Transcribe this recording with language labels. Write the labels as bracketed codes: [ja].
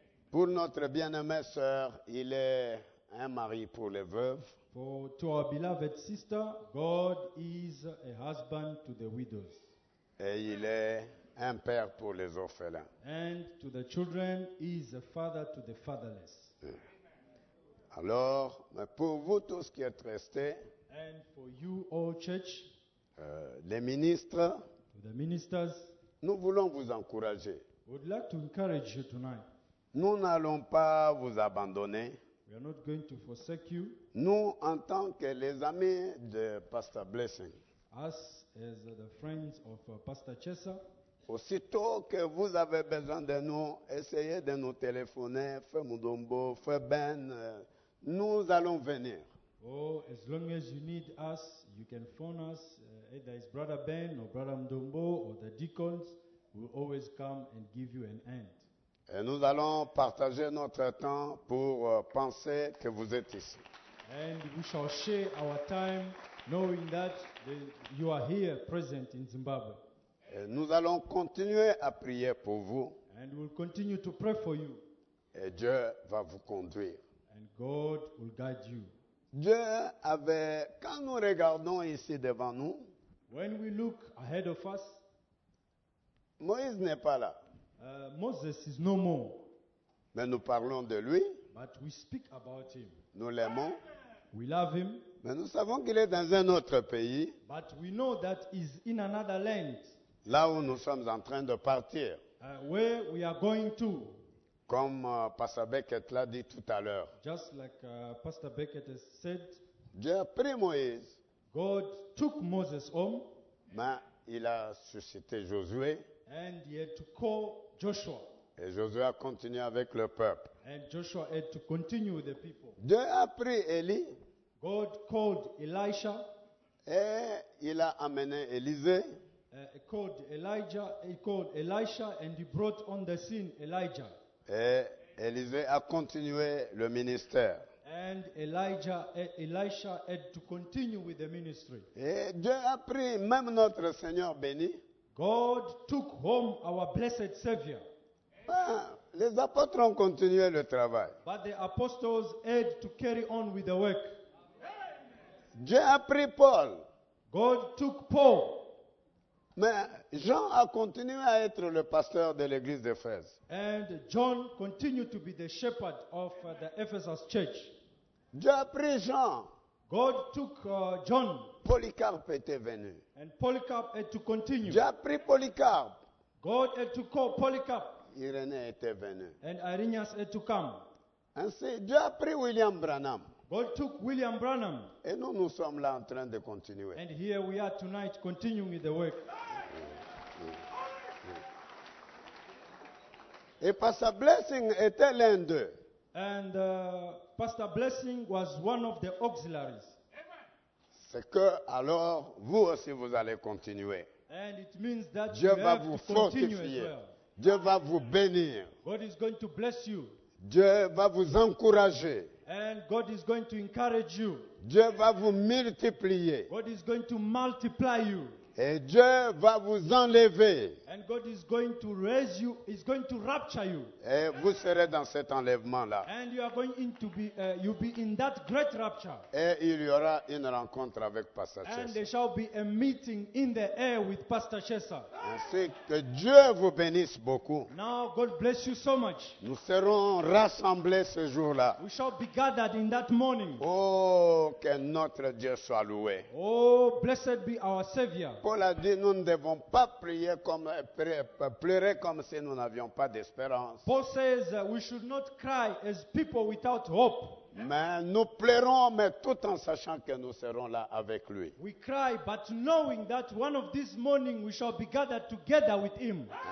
[fr] Pour notre bien-aimée sœur, il est un mari pour les veuves. [en] For to our beloved sister, God is a husband to the widows. [fr] Et il est un père pour les orphelins. [en] And to the children, he is a father to the fatherless. [fr] Alors, mais pour vous tous qui êtes restés, [en] and for you all church, [fr] les ministres, [en] the ministers, [fr] nous voulons vous encourager. [en] We'd like to encourage you tonight. [fr] Nous n'allons pas vous abandonner. [en] We We are not going to forsake you. [fr] Nous, en tant que les amis de Pastor Blessing, [en] us as the friends of Pastor Chesa, [fr] aussitôt que vous avez besoin de nous, essayez de nous téléphoner, Frère Mudombo, Frère Ben, nous allons venir. [en] Oh, as long as you need us, you can phone us, either it's Brother Ben or Brother Mudombo or the deacons, we'll always come and give you an hand. [fr] Et nous allons partager notre temps pour penser que vous êtes ici. [en] And we shall share our time knowing that you are here present in Zimbabwe. [fr] Et nous allons continuer à prier pour vous. [en] And we'll continue to pray for you. [fr] Et Dieu va vous conduire. [en] And God will guide you. [fr] Dieu avait, quand nous regardons ici devant nous, [en] when we look ahead of us, [fr] Moïse n'est pas là. [en] Moses is no more. [fr] Mais nous parlons de lui. [en] But we speak about him. [fr] Nous l'aimons. [en] We love him. [fr] Mais nous savons qu'il est dans un autre pays. [en] But we know that he's in another land. [fr] Là où nous sommes en train de partir. [en] Where we are going to. [fr] Comme Pastor Beckett l'a dit tout à l'heure. [en] Just like Pastor Beckett has said. [fr] Dieu a pris Moïse. [en] God took Moses home. [fr] Mais il a suscité Josué. [en] And he had to call Joshua. [fr] Et Josué a continué avec le peuple. [en] And Joshua had to continue with the people. [fr] Dieu a pris Élie. [en] God called Elisha. [fr] Et il a amené Élisée. [en] He called Elisha and he brought on the scene Elijah. [fr] Et Élisée a continué le ministère. [en] And Elisha had to continue with the ministry. [fr] Et Dieu a pris même notre Seigneur béni. [en] God took home our blessed Savior. [fr] Ben, les apôtres ont continué le travail. [en] But the apostles had to carry on with the work. [fr] Amen. Dieu a pris Paul. [en] God took Paul. [fr] Mais Jean a continué à être le pasteur de l'église d'Éphèse. [en] And John continued to be the shepherd of the Ephesus church. [fr] Dieu a pris Jean. [en] God took John. [fr] Polycarp était venu. [en] And Polycarp had to continue. [fr] Dieu a pris Polycarp. [en] God had to call Polycarp. [fr] Irénée était venu. [en] And Irenaeus had to come. [fr] Ainsi, Dieu a pris William Branham. [en] God took William Branham. [fr] Et nous, nous sommes là en train de continuer. [en] And here we are tonight continuing the work. [fr] Et Pastor Blessing était l'un d'eux. [en] And Pastor Blessing was one of the auxiliaries. [fr] C'est que alors, vous aussi, vous allez continuer. [en] And it means that [fr] Dieu va vous fortifier. [en] Well. [fr] Dieu va vous bénir. [en] God is going to bless you. [fr] Dieu va vous encourager. [en] And God is going to encourage you. [fr] Dieu va vous multiplier. [en] God is going to multiply you. [fr] Et Dieu va vous enlever. [en] And God is going to raise you. He's going to rapture you. [fr] Et vous serez dans cet enlèvement-là. [en] And you are going to be, you'll be in that great rapture. [fr] Et il y aura une rencontre avec Pastor Chesa. [en] And there shall be a meeting in the air with Pastor Chesa. [fr] Ainsi que Dieu vous bénisse beaucoup. [en] Now God bless you so much. [fr] Nous serons rassemblés ce jour-là. [en] We shall be gathered in that morning. [fr] Oh, que notre Dieu soit loué. [en] Oh, blessed be our Savior. [fr] Paul a dit, nous ne devons pas prier comme pleurer comme si nous n'avions pas d'espérance. [en] Paul says we should not cry as people without hope. [fr] Mais nous pleurons, mais tout en sachant que nous serons là avec lui. [en] We cry, but knowing that one of these mornings we shall be gathered together with him.